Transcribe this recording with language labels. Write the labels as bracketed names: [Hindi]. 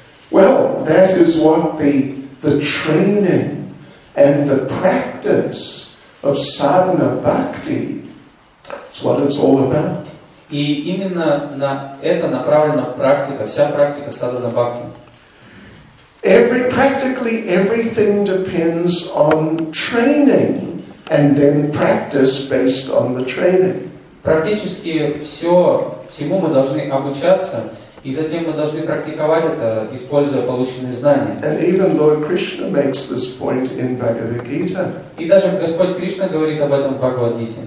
[English] Well, that is what the training and the practice of sadhana bhakti. That's what it's all about. [Russian] И именно на это направлена практика, вся практика садхана бхакти. [English] Practically everything depends on training and then practice based on the training. [Russian] Практически всё, всему мы должны обучаться, И затем мы должны практиковать это, используя полученные знания. [English] And even Lord Krishna makes this point in Bhagavad Gita. [Russian] И даже Господь Кришна говорит об этом в Бхагавад Гите.